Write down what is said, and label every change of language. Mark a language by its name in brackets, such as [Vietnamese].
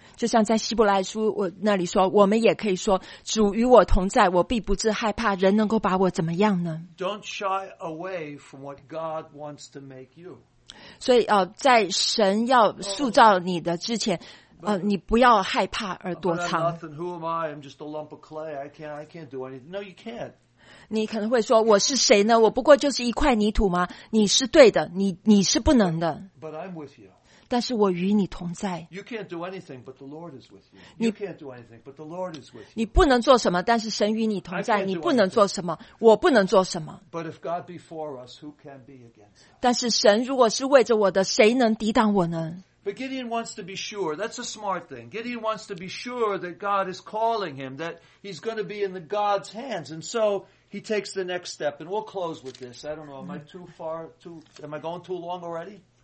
[Chinese] 就像在希伯来书我那里说，我们也可以说，主与我同在，我必不致害怕人能够把我怎么样呢？ [English] Don't shy away from what God wants to make you. [Chinese] 所以在神要塑造你的之前，你不要害怕而躲藏。 [English] But I'm nothing. Who am I? I'm just a lump of clay. I can't do anything. No, you can't. [Chinese] 你可能会说，我是谁呢？我不过就是一块泥土吗？你是对的，你是不能的。 [English] But I'm with you. [Chinese] 但是我与你同在。 [English] You can't do anything, but the Lord is with you. You can't do anything, but the Lord is with you. [Chinese] 你不能做什么，但是神与你同在。你不能做什么，我不能做什么。 [English] But if God be for us, who can be against us? [Chinese] 但是神如果是为着我的，谁能抵挡我呢？ [English] But Gideon wants to be sure. That's a smart thing. Gideon wants to be sure that God is calling him, that he's going to be in the God's hands, and so. He takes the next step, and we'll close with this. I don't know, am I too far, am I going too long already?